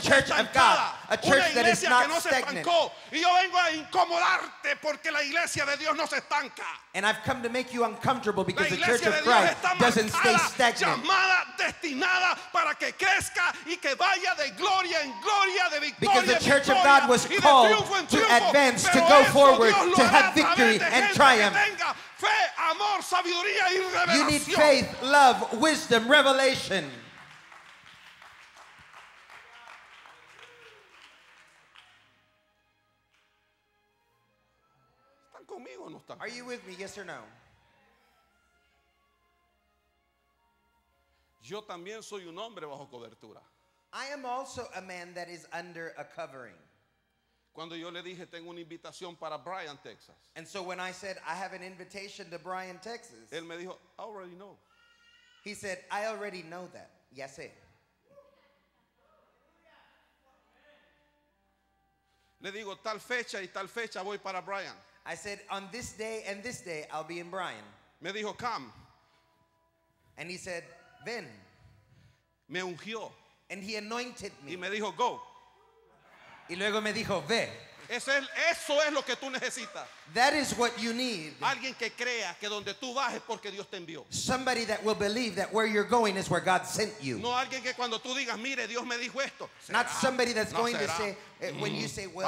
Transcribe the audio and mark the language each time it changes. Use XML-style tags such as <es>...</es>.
<en>church of God, a church that is not</en> <es>no</es> <en>stagnant.</en> <es>Y yo vengo a incomodarte porque la iglesia de Dios no se estanca.</es> <en>And I've come to make you uncomfortable because the church of Christ doesn't stay stagnant.</en> <es>Llamada, destinada para que crezca y que vaya de gloria en gloria, de victoria,</es> <en>because the church</en> <es>victoria,</es> <en>of God was called to advance, to go forward, to have victory and triumph.</en> <es>Fe, amor, sabiduría y revelación.</es> <en>You need faith, love, wisdom, revelation.</en> <es>¿Están conmigo o no están?</es> <en>Are you with me, yes or no?</en> <es>Yo también soy un hombre bajo cobertura.</es> <en>I am also a man that is under a covering.</en> <es>Cuando yo le dije tengo una invitación para Bryan, Texas.</es> <en>And so when I said I have an invitation to Bryan, Texas.</en> <es>Él me dijo,</es> <en>I already know. He said, I already know that.</en> <es>Ya sé. Le digo tal fecha y tal fecha voy para Bryan.</es> <en>I said on this day and this day I'll be in Bryan.</en> <es>Me dijo,</es> <en>come. And he said,</en> <es>ven. Me ungió.</es> <en>And he anointed me.</en> <es>Y me dijo,</es> <en>go.</en> <es>Y luego me dijo, ve. Eso es lo que tú necesitas.</es> <en>That is what you need.</en> <es>Alguien que crea que donde tú vas es porque Dios te envió.</es> <en>Somebody that will believe that where you're going is where God sent you.</en> <es>No alguien que cuando tú digas, mire, Dios me dijo esto.</es> <en>Not somebody that's going to say, when you say, well,</en>